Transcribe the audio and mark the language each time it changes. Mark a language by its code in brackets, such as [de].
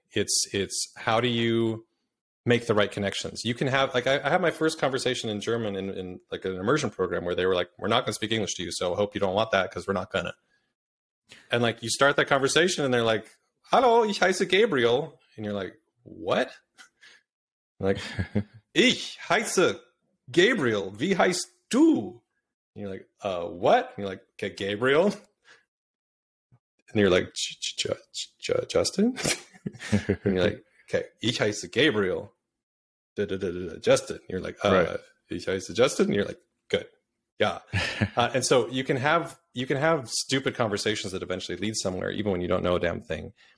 [en] It's how do you make the right connections? You can have, like, I had my first conversation in German in like an immersion program where they were like, we're not going to speak English to you. So I hope you don't want that because we're not gonna. And like, you start that conversation and they're like, [de] hallo, ich heiße Gabriel. [en] And you're like, what? Like, [de] ich heiße Gabriel, wie heißt du? [en] And you're like, what? And you're like, okay, Gabriel. And you're like, Justin? And you're like, okay, [de] ich heiße Gabriel. [en] Justin. And you're like, [de] ich heiße Justin. [en] And you're like, good. Yeah. And so you can have stupid conversations that eventually lead somewhere, even when you don't know a damn thing.